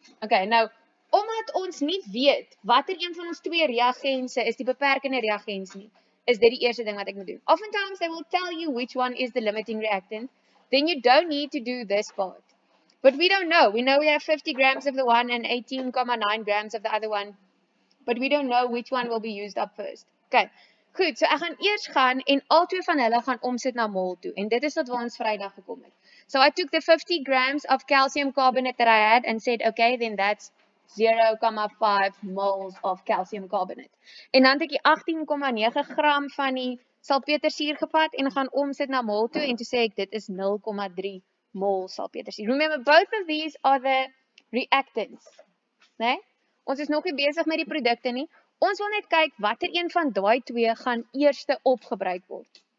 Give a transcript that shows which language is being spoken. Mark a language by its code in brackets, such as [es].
[af] Okay, now, omdat ons nie weet watter een van ons twee reagense is die beperkende reagens nie, is dit die eerste ding wat ek moet doen. [en] Oftentimes they will tell you which one is the limiting reactant, then you don't need to do this part. But we don't know. We know we have 50 grams of the one and 18.9 grams of the other one, but we don't know which one will be used up first. Okay. [af] Goed, so ek gaan eers gaan en al twee van hulle gaan omsit na mol toe. En dit is wat ons Vrydag gekom het. [en] So I took the 50 grams of calcium carbonate that I had and said, okay, then that's 0.5 moles of calcium carbonate. [af] En dan het ek die 18.9 gram van die salpetersuur gevat en gaan omsit na mol toe en toe sê ek dit is 0.3 moles salpetersuur. [en] Remember, both of these are the reactants. Nee? [af] Ons is nog nie besig met die produkte nie. Ons wil net kyk watter een van daai twee gaan eerste opgebruik word.